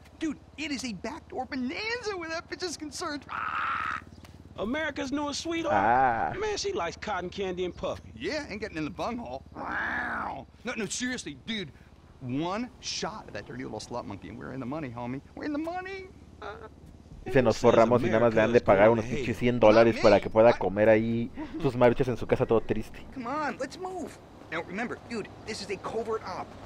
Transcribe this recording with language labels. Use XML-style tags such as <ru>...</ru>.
<en>Dude, it is a backdoor bonanza where that bitch is concerned. America's newest sweetheart. Man, she likes cotton candy and Puffy. Yeah, ain't getting in the bunghole. No, no, seriously, dude. One shot of that dirty little slut monkey and we're in the money, homie. We're in the money.</en> <es>Se nos forramos y nada más le han de pagar unos pinches $100 para que pueda comer ahí sus maruchas en su casa todo triste.</es> <en>Come on, let's move. Now remember, dude, this is a covert op.</en>